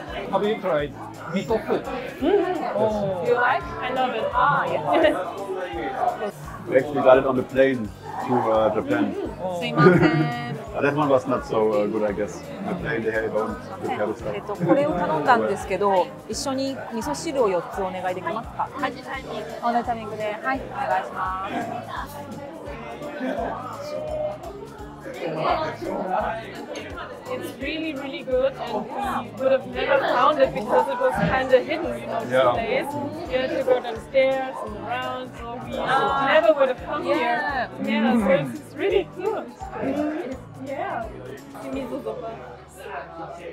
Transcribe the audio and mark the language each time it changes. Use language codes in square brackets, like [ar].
[en] Have you tried miso food? Mm-hmm. Yes. Oh. You like? I love it. Ah, yeah. We actually got it on the plane to Japan. Mm-hmm. Oh. That one was not so good, I guess. The plane, they don't have the stuff. [ja] これを頼んだんですけど、一緒に味噌汁を4つお願いできますか？はい、はい、同じタイミングで、はい、お願いします。 [en] It's really, really good, and we would have never found it because it was kind of hidden, you know, yeah. The place. You had to go downstairs and around, so we never would have come yeah. here. Yeah, so it's really good. Yeah. Give me the soup.